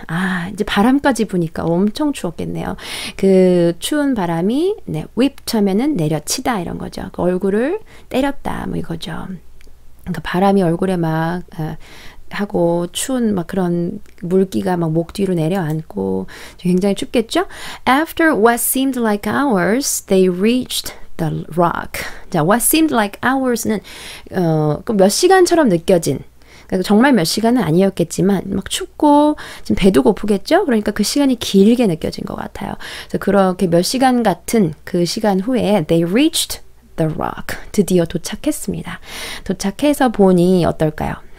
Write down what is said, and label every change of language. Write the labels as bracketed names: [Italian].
[Korean] 아, 이제 바람까지 부니까 엄청 추웠겠네요. 그 추운 바람이 네, whipped 하면은 내려치다 이런 거죠. 그 얼굴을 때렸다 뭐 이거죠. 그러니까 바람이 얼굴에 막 하고 추운 막 그런 물기가 막 목 뒤로 내려앉고 굉장히 춥겠죠? [English] After what seemed like hours, they reached the rock. [Korean] 자, [English] what seemed like hours [Korean] 는 몇 시간처럼 느껴진. 정말 몇 시간은 아니었겠지만 막 춥고 지금 배도 고프겠죠? 그러니까 그 시간이 길게 느껴진 것 같아요. 그래서 그렇게 몇 시간 같은 그 시간 후에 [English] they reached the rock. [Korean] 드디어 도착했습니다. 도착해서 보니 어떨까요?